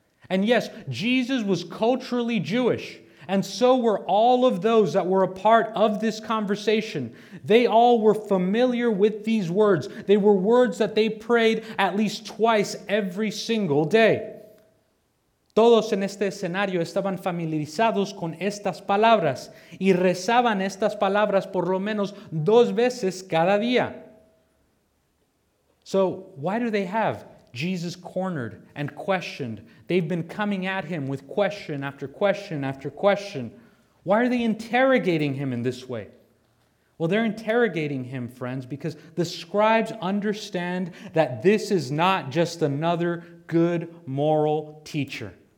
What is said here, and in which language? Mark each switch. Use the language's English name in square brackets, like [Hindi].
[English] And yes, Jesus was culturally Jewish, and so were all of those that were a part of this conversation. They all were familiar with these words. They were words that they prayed at least twice every single day. [Spanish] Todos en este escenario estaban familiarizados con estas palabras y rezaban estas palabras por lo menos dos veces cada día. [English] So why do they have Jesus cornered and questioned? They've been coming at him with question after question after question. Why are they interrogating him in this way? Well, they're interrogating him, friends, because the scribes understand that this is not just another good moral teacher.